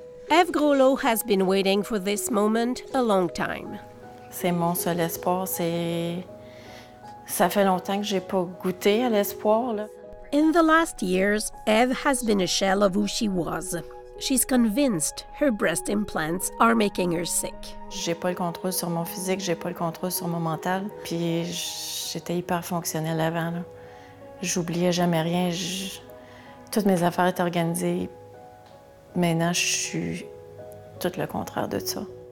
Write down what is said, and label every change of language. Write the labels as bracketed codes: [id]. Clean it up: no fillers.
[en] Eve Grolot has been waiting for this moment a long time. [fr] C'est mon seul espoir, c'est... Ça fait longtemps que j'ai pas goûté à l'espoir, là. [en] In the last years, Eve has been a shell of who she was. She's convinced her breast implants are making her sick. [fr] J'ai pas le contrôle sur mon physique, j'ai pas le contrôle sur mon mental. Puis j'étais hyper fonctionnelle avant, là. J'oubliais jamais rien. Toutes mes affaires étaient organisées. Maintenant, je suis tout le contraire de ça.